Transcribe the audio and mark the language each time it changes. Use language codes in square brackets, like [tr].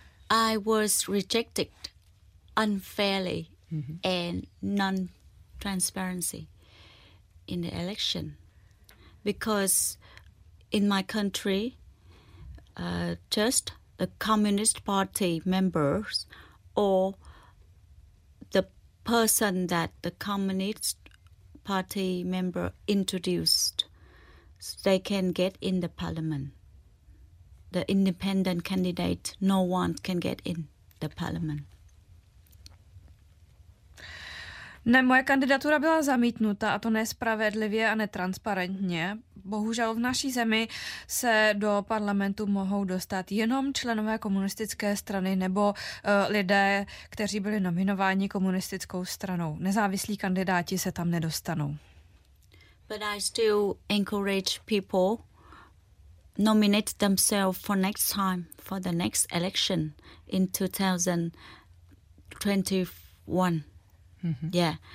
[en] I was rejected unfairly, mm-hmm, and non-transparency in the election, because in my country, just the Communist Party members or the person that the Communist Party member introduced, they can get in the parliament. The independent candidate, no one can get in the parliament. [cs] Ne, moje kandidatura byla zamítnuta, a to nespravedlivě a netransparentně. Bohužel v naší zemi se do parlamentu mohou dostat jenom členové komunistické strany nebo lidé, kteří byli nominováni komunistickou stranou. Nezávislí kandidáti se tam nedostanou. [en] But I still encourage people nominate themselves for next time, for the next election in 2021. Mm-hmm. Yeah.